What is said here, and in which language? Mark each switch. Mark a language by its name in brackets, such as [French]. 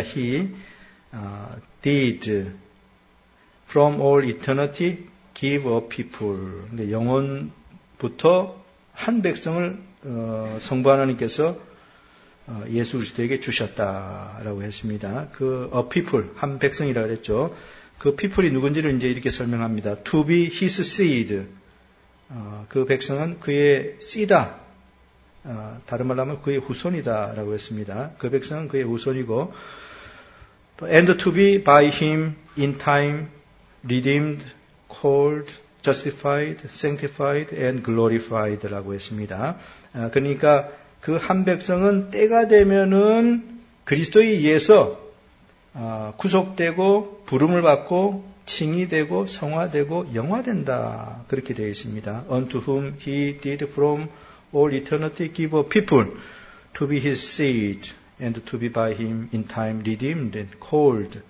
[English] he did from all eternity give a people [Korean] 그러니까 영원부터 한 백성을 성부 하나님께서 예수 그리스도에게 주셨다라고 했습니다. 그 a people 한 백성이라고 했죠. 그 people이 누군지를 이제 이렇게 설명합니다. [English] To be his seed [Korean] 그 백성은 그의 씨다. 다른 말로 하면 그의 후손이다라고 했습니다. 그 백성은 그의 후손이고 또 [English] and to be by him in time redeemed, called, justified, sanctified and glorified라고 했습니다. [Korean] 그러니까 그 한 백성은 때가 되면은 그리스도에 의해서 구속되고 부름을 받고 칭이 되고 성화되고 영화된다 그렇게 되어 있습니다. [English] Unto whom he did from all eternity give a people to be his seed and to be by him in time redeemed and called.